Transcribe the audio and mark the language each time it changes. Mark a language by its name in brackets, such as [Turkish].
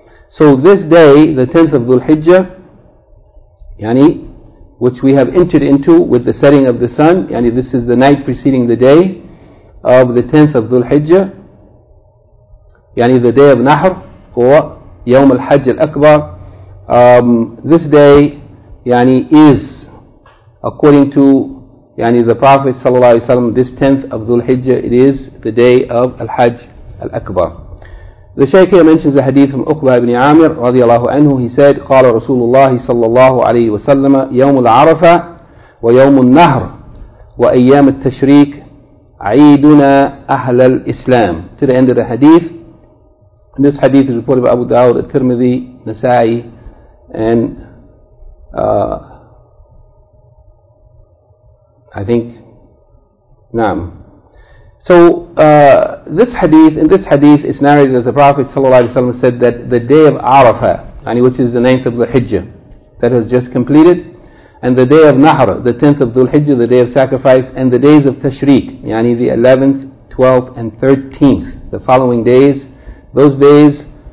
[English] So this day, the 10th of Dhul-Hijjah, yani, which we have entered into with the setting of the sun, yani this is the night preceding the day of the 10th of Dhul-Hijjah, yani the day of Nahr, or Yawm al-Hajj al-Akbar, this day, yani, is, according to, yani, the Prophet sallallahu alaihi wasallam, this 10th of Dhul-Hijjah, it is the day of al-Hajj al-Akbar. The Shaykh here mentions the hadith from Uqba ibn Amir [Arabic] رضي الله عنه. [English] He said, [Arabic] قال رسول الله صلى الله عليه وسلم يوم العرفة ويوم النهر وأيام التشريك عيدنا أهل الإسلام. [English] To the end of the hadith. And this hadith is reported by Abu Dawud, Al-Tirmidhi, Nasa'i, and I think نعم. So in this hadith it's narrated that the Prophet ﷺ said that the day of Arafah, which is the 9th of Dhul-Hijjah that has just completed, and the day of Nahr, the 10th of Dhul-Hijjah, the day of sacrifice, and the days of Tashriq, yani the 11th, 12th and 13th, the following days, those days